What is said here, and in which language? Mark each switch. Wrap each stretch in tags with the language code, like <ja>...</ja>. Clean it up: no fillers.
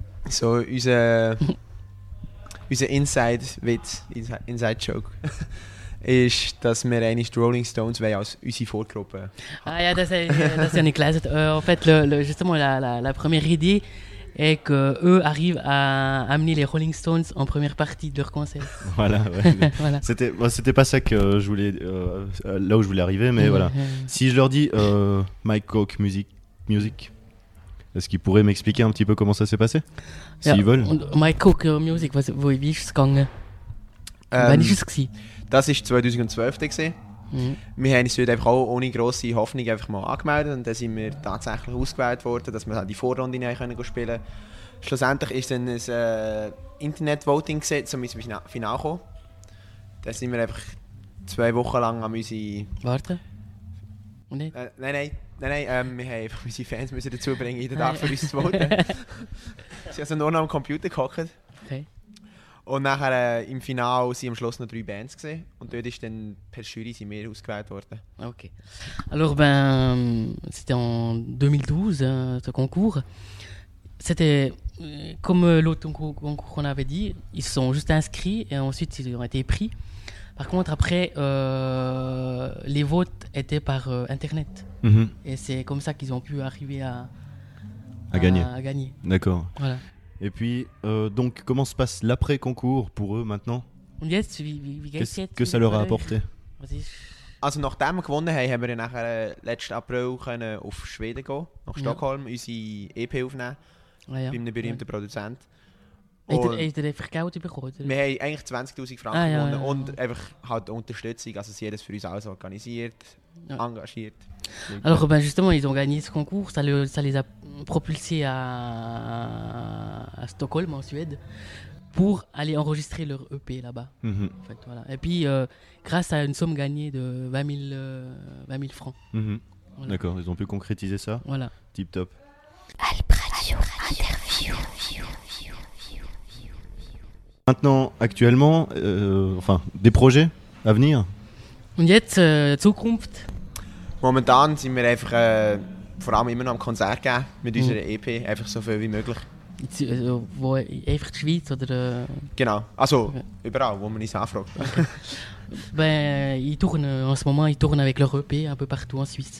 <de>So, unser Inside-Witz, Inside-Joke, ist, dass wir eigentlich Rolling Stones wollen als unsere Vorgruppe. Ah ja, das ist eine Klasse.</de> <fr>En fait, justement, la première idée, et qu'eux arrivent à amener les Rolling Stones en première partie de leur concert. Voilà, ouais. Voilà. C'était pas ça que je voulais, là où je voulais arriver, mais voilà. Si je leur dis Mike Coke Music, est-ce qu'ils pourraient m'expliquer un petit peu comment ça s'est passé? S'ils veulent.</fr> <de>Mike Coke Music, wo bin ich gegangen? Wann ist es gewesen? Das war 2012. Wir haben uns dort einfach auch ohne grosse Hoffnung einfach mal angemeldet und dann sind wir tatsächlich ausgewählt worden, dass wir die Vorrunde rein können spielen. Schlussendlich war es dann ein Internet-Voting zum Finale kommen. Dann sind wir einfach zwei Wochen lang an unsere... Warten? Nein, wir mussten einfach unsere Fans dazu bringen, jeden Tag für uns zu voten. Sie haben also nur noch am Computer gehockt. Okay. Und nachher im Finale waren am Schluss noch drei Bands gesehen und dort ist dann per Jury sind wir ausgewählt worden. Okay.</de> <fr>Alors ben, c'était en 2012 ce concours. C'était comme l'autre concours qu'on avait dit, ils se sont juste inscrits et ensuite ils ont été pris. Par contre après, les votes étaient par internet. Mm-hmm. Et c'est comme ça qu'ils ont pu arriver à gagner. D'accord. Voilà. Et puis, donc, comment se passe l'après-concours pour eux maintenant? Qu'est-ce que ça leur a apporté?</fr> <de>Also, nachdem wir gewonnen haben, haben wir dann nachher letzten April können auf Schweden gehen, nach Stockholm, ja. Unsere EP aufnehmen, ja, ja. Bei einem berühmten Produzent. Habt ihr einfach Geld bekommen? Wir haben eigentlich 20.000 Franken gewonnen und einfach halt Unterstützung, also sie haben das für uns alles organisiert, engagiert.</de> <fr>Alors ben justement, ils ont gagné ce concours, ça les a propulsés à Stockholm, en Suède, pour aller enregistrer leur EP là-bas. Mm-hmm. En fait, voilà. Et puis, grâce à une somme gagnée de 20 000 francs. Mm-hmm. Voilà. D'accord, ils ont pu concrétiser ça. Voilà. Tip top. Alp Radio Interview. Maintenant, actuellement, des projets à venir.</fr> <de>Und jetzt, Zukunft. Momentan sind wir einfach vor allem immer noch am Konzert gehen mit unserer EP, einfach so viel wie möglich. Wo, einfach die Schweiz oder? Genau, also überall, wo man uns anfragt. Okay.</de> <fr>Ben, ils tournent en ce moment avec leur EP un peu partout en Suisse.</fr>